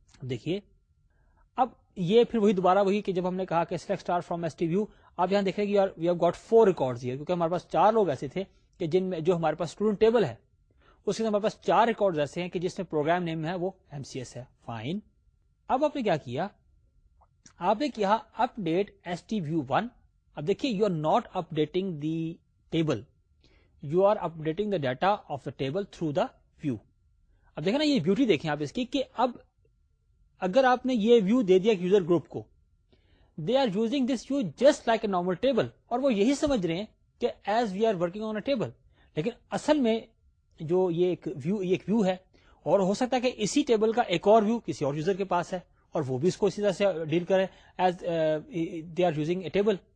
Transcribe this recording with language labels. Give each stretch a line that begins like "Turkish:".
Urdu: دیکھیے یہ پھر وہی دوبارہ وہی کہ جب ہم نے کہا کہ select star from S T view, آپ یہاں دیکھیں گے
English: یار we have got four records here,
Urdu: کیونکہ ہمارے پاس چار لوگ ایسے تھے کہ جن میں جو ہمارے پاس اسٹوڈنٹ ٹیبل ہے اس کے ہمارے پاس چار ریکارڈز ایسے ہیں کہ جس میں پروگرام نیم ہے وہ ایم سی ایس ہے, فائن. اب آپ نے کیا کیا, آپ نے کیا اپ date S T view one. اب دیکھیے
English: You are not updating the table, you are updating the data of the table through the view.
Urdu: اب دیکھیں نا یہ بیوٹی دیکھیں آپ اس کی, کہ اب اگر آپ نے یہ ویو دے دیا ایک یوزر گروپ کو,
English: they are using this view just like a normal table
Urdu: اور وہ یہی سمجھ رہے ہیں کہ
English: as we are working on a table,
Urdu: لیکن اصل میں جو یہ ایک ویو, یہ ایک ویو ہے اور ہو سکتا ہے کہ اسی ٹیبل کا ایک اور ویو کسی اور یوزر کے پاس ہے اور وہ بھی اس کو اسی طرح سے ڈیل کرے
English: As they are using a table.